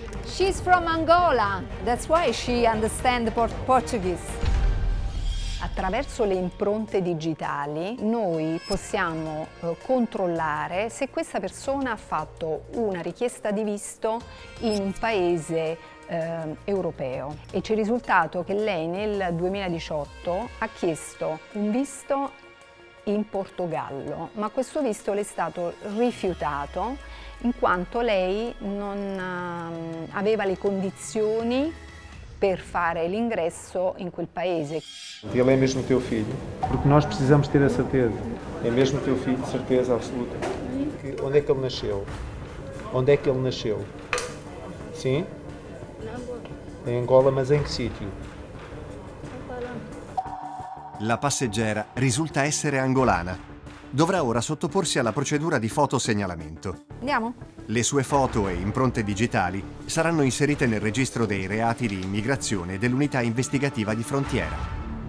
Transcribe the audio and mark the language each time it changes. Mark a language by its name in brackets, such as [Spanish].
[English] She's from Angola, that's why she understands Portuguese. [Italian] Attraverso le impronte digitali noi possiamo controllare se questa persona ha fatto una richiesta di visto in un paese europeo. E c'è il risultato che lei nel 2018 ha chiesto un visto in Portogallo, ma questo visto le è stato rifiutato in quanto lei non aveva le condizioni per fare l'ingresso in quel paese. E lei è [Portuguese] mesmo teu filho? [Italian] Perché noi [Portuguese] precisamos ter a certeza. È mesmo teu filho, certeza absoluta. Que, onde é que ele nasceu? Onde é que ele nasceu? Sim? Na Angola. Em Angola, mas em que sítio? [Italian] La passeggera risulta essere angolana, dovrà ora sottoporsi alla procedura di fotosegnalamento. Andiamo. Le sue foto e impronte digitali saranno inserite nel registro dei reati di immigrazione dell'unità investigativa di frontiera.